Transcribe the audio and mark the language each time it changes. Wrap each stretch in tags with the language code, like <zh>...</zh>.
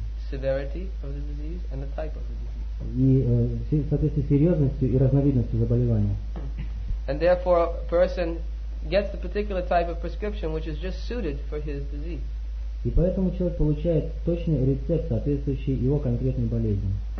<en>severity of the disease and the type of the disease.</en> <ru>И в соответствии с серьезностью и разновидностью заболевания.</ru> <en>And therefore, a person gets the particular type of prescription which is just suited for his disease.</en> <ru>И поэтому человек получает точный рецепт, соответствующий его конкретной болезни.</ru>